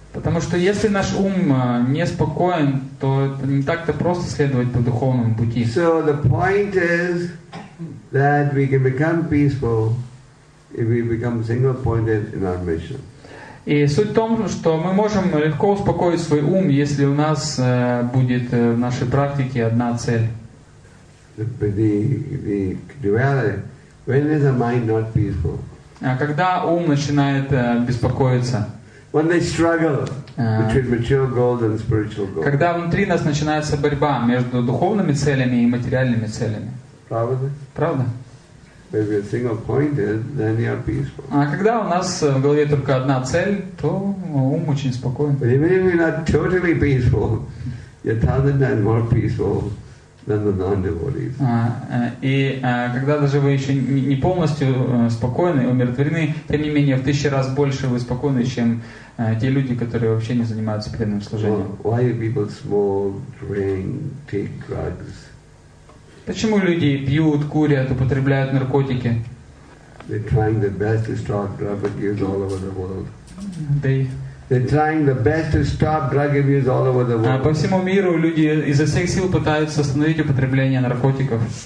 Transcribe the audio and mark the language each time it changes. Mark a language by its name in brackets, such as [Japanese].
[Russian] Потому что если наш ум не спокоен, то это не так-то просто следовать по духовному пути. [English] So the point is that we can become peaceful if we become single-pointed in our mission. [Russian] И суть в том, что мы можем легко успокоить свой ум, если у нас будет в нашей практике одна цель. [English] But the duality, when is the mind not peaceful? [Russian] Когда ум начинает беспокоиться? [English] When they struggle between material goals and spiritual goals. [Russian] Когда внутри нас начинается борьба между духовными целями и материальными целями. Правда? Правда. [English] If you're single-pointed, then you're peaceful. [Russian] А когда у нас в голове только одна цель, то ум очень спокоен. [English] But even if you're not totally peaceful, you're 1,000 times more peaceful than the non-devotees. [Russian] И когда даже вы еще не полностью спокойны, умиротворены, тем не менее, в 1,000 раз больше вы спокойны, чем те люди, которые вообще не занимаются преданным служением. [English] Well, why do people smoke, drink, take drugs? [Russian] Почему люди пьют, курят, употребляют наркотики? [English] They're trying their best to stop drug abuse all over the world. They They're trying their best to stop drug abuse all over the world. [Russian] По всему миру люди изо всех сил пытаются остановить употребление наркотиков.